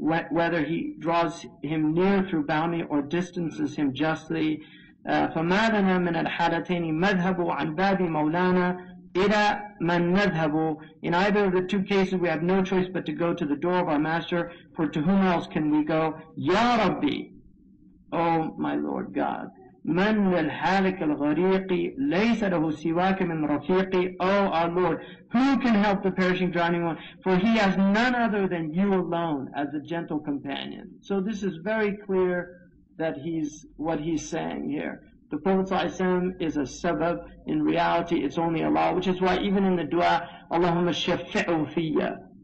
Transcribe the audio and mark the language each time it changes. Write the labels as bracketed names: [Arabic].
[English] Whether he draws him near through bounty or distances him justly, [Arabic] فما لنا من الحالتين مذهب عن باب مولانا إلى من نذهب. [English] In either of the two cases we have no choice but to go to the door of our master, for to whom else can we go? [Arabic] يا ربي, [English] O my Lord God, [Arabic] من الحالك الغريق ليس له سواك من رفيق. [English] O our Lord, who can help the perishing drowning one? For he has none other than you alone as a gentle companion. So this is very clear that he's, what he's saying here. The Prophet ﷺ is a sabab. In reality, it's only Allah, which is why even in the dua, Allahumma shafi'u fiyya,